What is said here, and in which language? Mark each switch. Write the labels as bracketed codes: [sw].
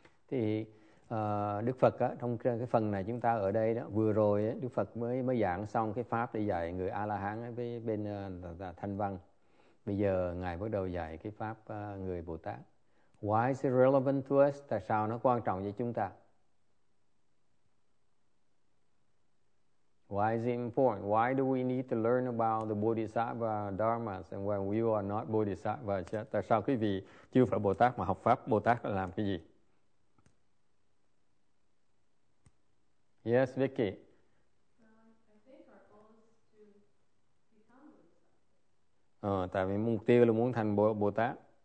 [vi] Thì Đức Phật á, trong cái phần này chúng ta ở đây đó, vừa rồi á, Đức Phật mới giảng xong cái pháp để dạy người A-la-hán với bên Thanh Văn. Bây giờ ngài bắt đầu dạy cái pháp người Bồ-Tát. [en] Why is it relevant to us? [vi] Tại sao nó quan trọng với chúng ta? [en] Why is it important? Why do we need to learn about the Bodhisattva Dharmas and when we are not Bodhisattva? [vi] Tại sao quý vị chưa phải Bồ Tát mà học pháp Bồ Tát là làm cái gì? [en] Yes, Vicky. I think our goal is to become Bodhisattva. [vi] Tại vì mục tiêu là muốn thành Bồ Tát.